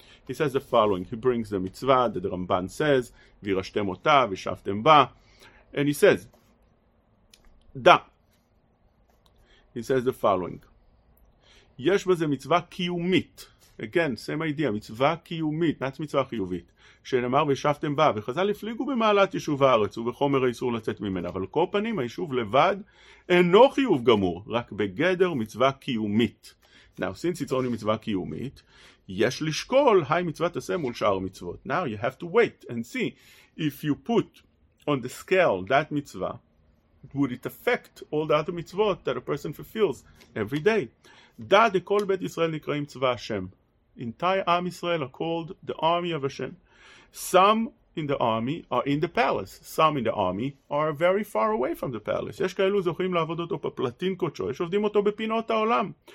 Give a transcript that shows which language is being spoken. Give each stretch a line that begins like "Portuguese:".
English: He says the following, he brings the mitzvah that the Ramban says,
Hebrew: V'irashtem otah, v'shavtem ba,
English: and he says, Da. He says the following,
Hebrew: Yesh bazeh mitzvah kiyumit,
English: Again, same idea. Mitzvah kiyumit, not mitzvah chiyuvit.
Hebrew: שנאמר וישבתם בה, וחזל הפליגו במעלת יישוב הארץ, ובחומר האיסור לצאת ממנה. אבל כל פנים, היישוב לבד אינו חיוב גמור, רק בגדר מצווה קיומית.
English: Now, since it's only
Hebrew: מצווה קיומית, יש לשקול, היי מצוות עשה מול שאר מצוות.
English: Now, you have to wait and see if you put on the scale that מצווה, would it affect all the other מצוות that a person fulfills every day.
Hebrew: דה דכל בית ישראל נקראים צבא השם.
English: Entire עם ישראל are called the army of השם. Some in the army are in the palace. Some in the army are very far away from the palace.
Hebrew: יש כאלו זוכים לעבוד אותו בפלטין קודשו. יש עובדים אותו בפינות העולם.